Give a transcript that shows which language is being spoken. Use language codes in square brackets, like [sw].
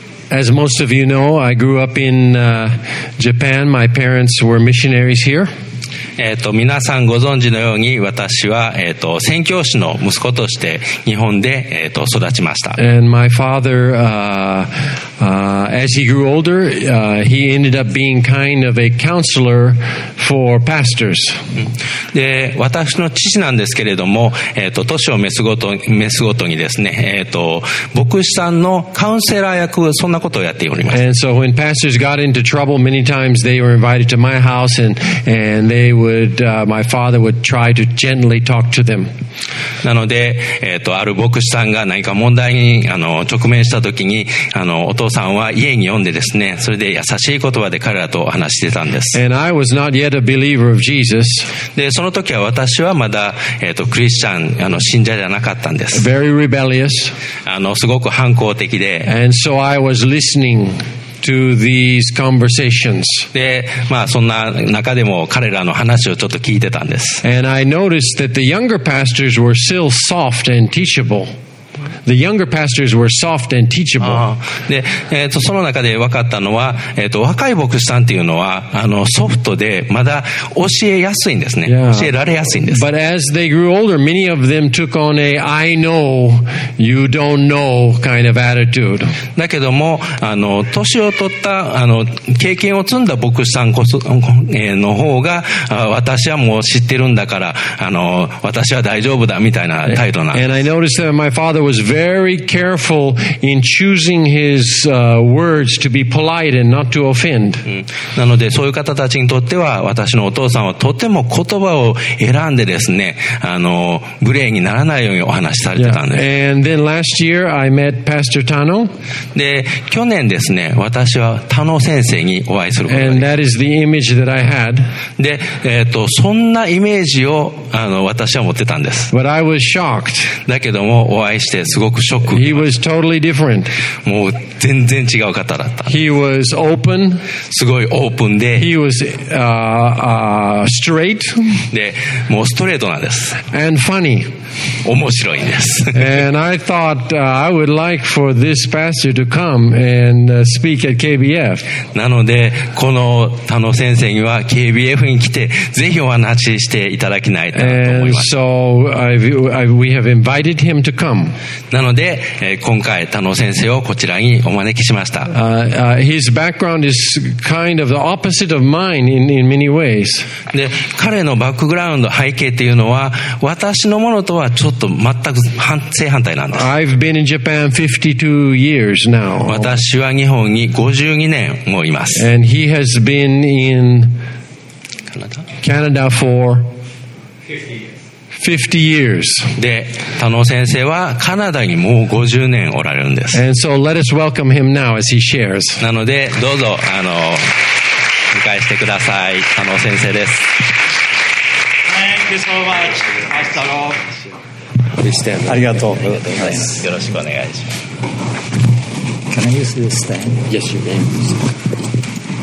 [en] As most of you know, I grew up in Japan. My parents were missionaries here. [ja] 皆さんご存知のように私は宣教師の息子として日本で育ちました。 [en] And my father, as he grew older, he ended up being kind of a counselor for pastors. [ja] で、私の父なんですけれども、年を召すごとにですね、牧師さんのカウンセラー役、そんなことをやっております。 [en] And so when pastors got into trouble, many times they were invited to my house and they would, my father would try to gently talk to them. [ja] なので、ある牧師さんが何か問題に直面したときに、お父さんは家に呼んでですね、それで優しい言葉で彼らと話してたんです。 [en] And I was not yet a believer of Jesus. [ja] で、その時は私はまだ、クリスチャン、信者じゃなかったんです。 [en] Very rebellious. [ja] すごく反抗的で。 [en] And so I was listening. To these conversations. [ja] で、まあ、そんな中でも彼らの話をちょっと聞いてたんです。 [en] And I noticed that the younger pastors were still soft and teachable. The younger pastors were soft and teachable. ああ、 [ja] で、その中で分かったのは、若い牧師さんっていうのは、ソフトで、まだ教えやすいんですね。 [en] Yeah. [ja] 教えられやすいんです。 [en] But as they grew older, many of them took on a I know, you don't know kind of attitude. [ja] だけども、年を取った、経験を積んだ牧師さんこそ、の方が、私はもう知ってるんだから、私は大丈夫だ、みたいな態度なんです。 [en] And I noticed that my father was very careful in choosing his words to be polite and not to offend. [ja] なのでそういう方たちにとっては私のお父さんはとても言葉を選んでですね、無礼にならないようにお話しされてたんです。 [en] And then last year I met Pastor Tano. [ja] で去年ですね、私はタノ先生にお会いすることができました。 [en] And that is the image that I had. [ja] で、そんなイメージを私は持ってたんです。 [en] But I was shocked. [ja] だけどもお会いしてすごくショック。 [en] He was totally different. [ja] もう全然違う方だった。 [en] He was open. [ja] すごいオープンで。 [en] He was straight. [ja] で、もうストレートなんです。 [en] And funny. [ja] 面白いんです。 [en] And I thought I would like for this pastor to come and speak at KBF. [ja] なので、この田野先生には KBF に来て、ぜひお話ししていただきたいと思います。 [en] And so we have invited him to come. [ja] なので、今回田野先生をこちらにお招きしました。 [en] His background is kind of the opposite of mine in many ways. [ja] で、彼のバックグラウンド背景というのは私のものとはちょっと全く正反対なんです。 [en] I've been in Japan 52 years now. [ja] 私は日本に52年もいます。 [en] And he has been in Canada for 50 years. [ja] で、田野先生はカナダにもう50年おられるんです。 [en] And so let us welcome him now as he shares. [ja] なので、どうぞ、迎えしてください。田野先生です。 [en] Thank you so much. Please stand. [ja] ありがとうございます。よろしくお願いします。 [en] Can I use this stand? Yes, you can.